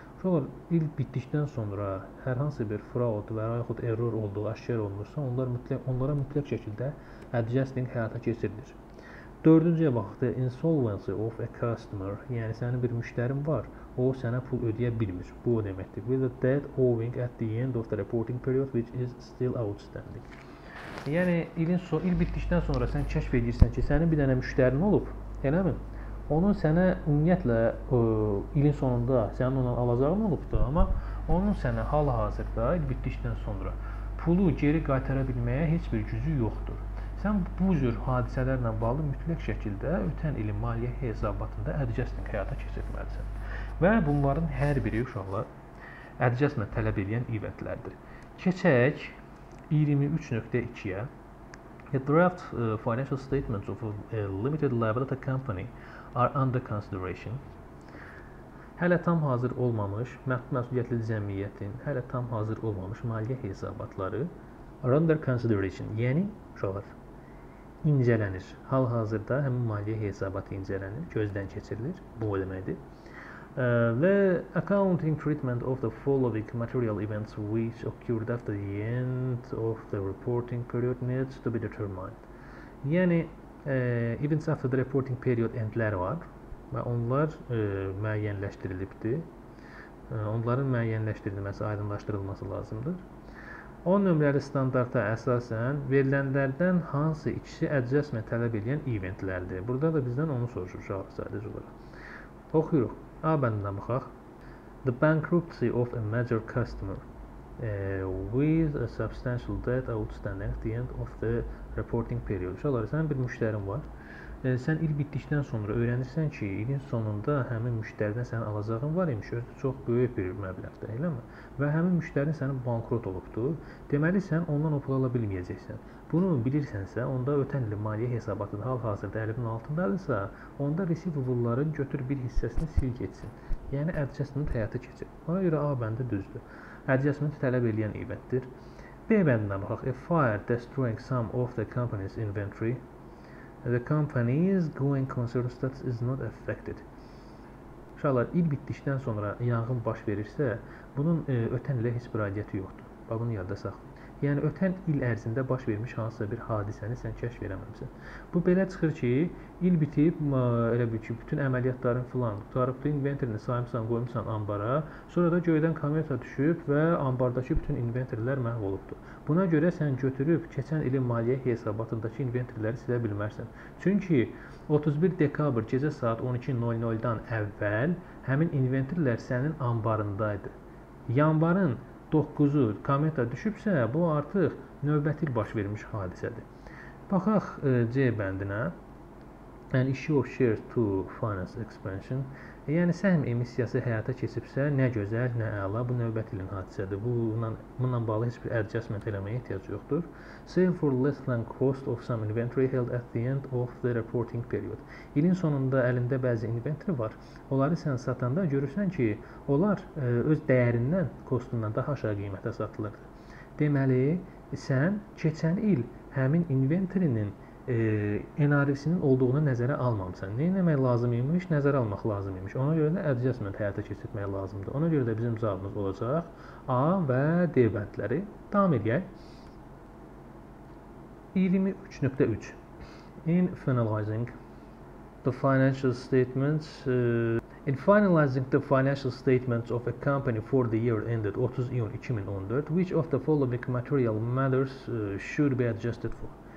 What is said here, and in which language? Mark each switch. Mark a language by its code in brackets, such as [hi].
[az] Uşaqlar, il bitdikdən sonra hər hansı bir fraud və yaxud error olduğu aşkar olunursa, onlara mütləq şəkildə adjusting həyata keçirilir. Dördüncüyə baxdı, [en] insolvency of a customer, [az] yəni sənin bir müştərin var, o sənə pul ödəyə bilmir. Bu o deməkdir. [en] With a debt owing at the end of the reporting period, which is still outstanding. [az] Yəni, il bitdikdən sonra sən kəşf edirsən ki, sənin bir dənə müştərin olub, eləmi? Onun sənə ümumiyyətlə ilin sonunda sənin ona alacağın olubdur, amma onun sənə hal-hazırda il bitdikdən sonra pulu geri qaytara bilməyə heç bir gücü yoxdur. Sən bu cür hadisələrlə bağlı mütləq şəkildə ötən ilin maliyyə hesabatında adjusting həyata keçirməlisən. Və bunların hər biri uşaqlar adjustment tələb edən eventlərdir. Keçək 23.2-yə. [en] A draft financial statements of a limited liability company are under consideration. [az] Hələ tam hazır olmamış məsuliyyətli cəmiyyətin, hələ tam hazır olmamış maliyyə hesabatları [en] are under consideration. [az] Yəni, uşaqlar, incələnir. Hal-hazırda həmin maliyyə hesabatı incələnir, gözdən keçirilir. Bu o deməkdir. [en] The accounting treatment of the following material events which occurred after the end of the reporting period needs to be determined. [az] Yəni, [en] events after the reporting period [az] endlər var və onlar müəyyənləşdirilibdir. Onların müəyyənləşdirilməsi, aydınlaşdırılması lazımdır. 10 nömrəli standarta əsasən verilənlərdən hansı ikisi adjustment tələb edən eventlərdir? Burada da bizdən onu soruşur sadəcə olaraq. Oxuyuruq. A bəndinə baxaq. [en] The bankruptcy of a major customer with a substantial debt outstanding at the end of the reporting period. [az] Uşaqlar, sənin bir müştərin var. Sən il bitdikdən sonra öyrənirsən ki, ilin sonunda həmin müştərdən sənin alacağın var imiş. Özü çox böyük bir məbləğdə, elə mi? Və həmin müştərin sənin bankrot olubdur. Deməli, sən ondan o pulu ala bilməyəcəksən. Bunu bilirsənsə, onda ötən ilin maliyyə hesabatında hal-hazırda əlinin altındadırsa, onda receivable-ların götür bir hissəsini sil keçsin. Yəni, adjustment həyata keçir. Ona görə A bəndi düzdür. Adjustment tələb edən eventdir. B bəndinə baxaq. [en] A fire destroying some of the company's inventory. The company's going concern status is not affected. [az] Uşaqlar, il bitdikdən sonra yanğın baş verirsə, bunun ötən ilə heç bir aidiyyəti yoxdur. Bunu yadda saxlayın. Yəni, ötən il ərzində baş vermiş hansısa bir hadisəni sən kəşf eləməmsin. Bu belə çıxır ki, il bitib, elə bil ki, bütün əməliyyatların filan qutarıbdır, inventorini saymışsan, qoymuşsan ambara, sonra da göydən kameta düşüb və ambardakı bütün inventorilər məhv olubdur. Buna görə sən götürüb keçən ilin maliyyə hesabatındakı inventorləri silə bilmərsən. Çünki 31 dekabr gecə saat 12:00-dan əvvəl həmin inventorlər sənin ambarındaydı. Yanvarın 9-u kometa düşübsə, bu artıq növbəti il baş vermiş hadisədir. Baxaq C bəndinə. [en] An issue of shares to finance expansion. [az] Yəni səhm emissiyası həyata keçibsə, nə gözəl, nə əla, bu növbəti ilin hadisədir. Bununla bağlı heç bir adjustment eləməyə ehtiyac yoxdur. [en] Sale for less than cost of some inventory held at the end of the reporting period. [az] İlin sonunda əlində bəzi inventory var. Onları sən satanda görürsən ki, onlar öz dəyərindən, kostundan daha aşağı qiymətə satılırdı. Deməli, sən keçən il həmin inventory-nin NRV-sinin olduğunu nəzərə almamışsan. Nə eləmək lazım imiş, nəzərə almaq lazım imiş. Ona görə də adjustment həyata keçirtmək lazımdır. Ona görə də bizim cavabımız olacaq A və D bəndləri. Davam edək. [en] 23.3 In finalizing the financial statements In finalizing the financial statements of a company for the year ended 30 iyun 2014, which of the following material matters should be adjusted for?